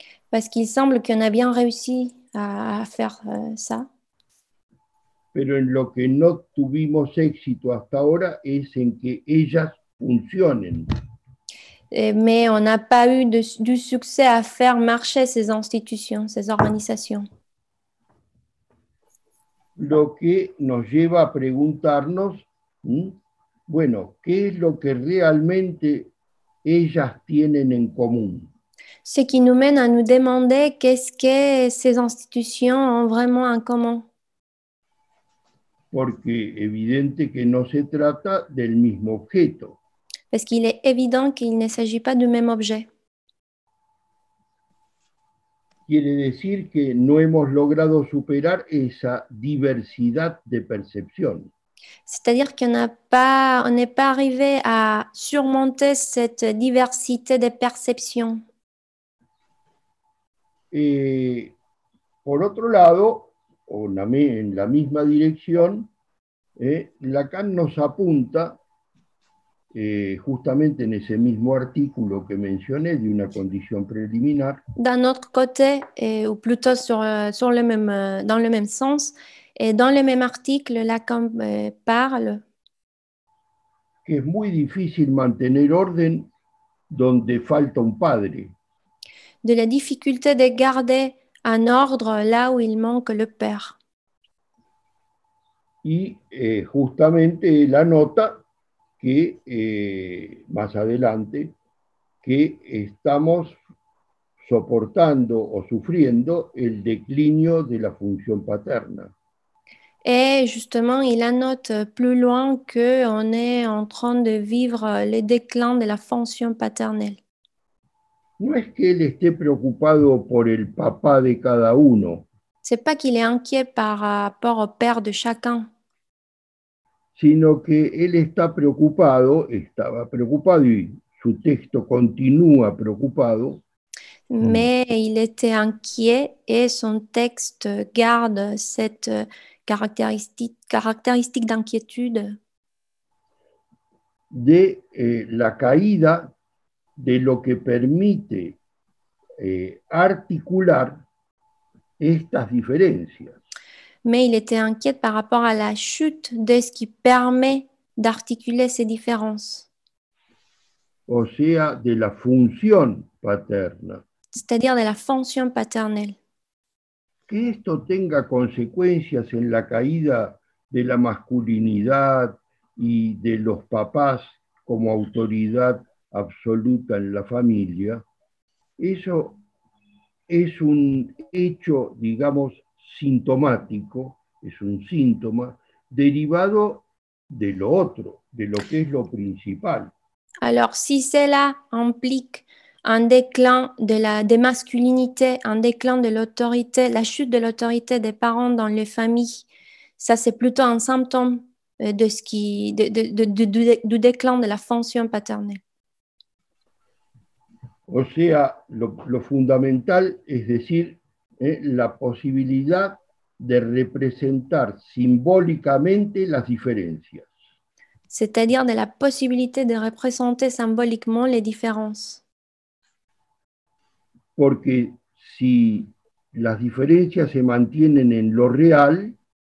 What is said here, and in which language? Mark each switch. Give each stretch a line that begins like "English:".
French: Parce qu'il semble qu'on a bien réussi à faire ça.
Spanish: Pero en lo que no tuvimos éxito hasta ahora es en que ellas funcionen.
French: Mais on n'a pas eu du succès à faire marcher ces institutions, ces organizaciones.
Spanish: Lo que nos lleva a preguntarnos, bueno, ¿qué es lo que realmente ellas tienen en común?
French: Ce qui nous mène à nous demander qu'est-ce que ces institutions ont vraiment en commun.
Spanish: Porque evidente que no se trata del mismo objeto.
French: Parce qu'il est évident qu'il ne s'agit pas du même objet.
Spanish: Quiere decir que no hemos logrado superar esa diversidad de percepción.
French: C'est-à-dire qu'on n'est pas arrivé à surmonter cette diversité de perceptions.
Spanish: Por otro lado, o en la misma dirección, Lacan nos apunta Justamente en ese mismo artículo que mencioné de una condición preliminar.
French: D'un autre côté, et, ou plutôt sur, sur le même, dans le même sens, et dans le même article, Lacan parle.
Spanish: Que es muy difícil mantener orden donde falta un padre.
French: De la difficulté de garder un ordre là où il manque le père.
Spanish: Y justamente la nota que más adelante que estamos soportando o sufriendo el declinio de la función paterna.
French: Et justement, il annote plus loin qu'on est en train de vivre le déclin de la fonction paternelle.
Spanish: No es que él esté preocupado por el papá de cada uno.
French: C'est pas qu'il est inquiet par rapport au père de chacun.
Spanish: Sino que él está preocupado, estaba preocupado y su texto continúa preocupado.
French: Mais il était inquiet et son texte garde cette caractéristique d'inquiétude.
Spanish: De la caída de lo que permite articular estas diferencias.
French: Mais il était inquiet par rapport à la chute de ce qui permet d'articuler ces différences.
Spanish: O sea, de la función paterna.
French: C'est-à-dire de la fonction paternelle.
Spanish: Que esto tenga consecuencias en la caída de la masculinidad y de los papás como autoridad absoluta en la familia, eso es un hecho, digamos, sintomático, es un síntoma derivado de lo otro, de lo que es lo principal.
French: Alors, si cela implique un déclin de la masculinité, un déclin de l'autorité, la chute de l'autorité des parents dans les familles, ça c'est plutôt un symptôme de ce qui, du déclin de la fonction paternelle.
Spanish: O sea, lo fundamental es decir, la posibilidad de representar simbólicamente las diferencias.
French: C'est-à-dire de la possibilité de représenter symboliquement les différences.
Spanish: Porque si las diferencias se mantienen en lo real.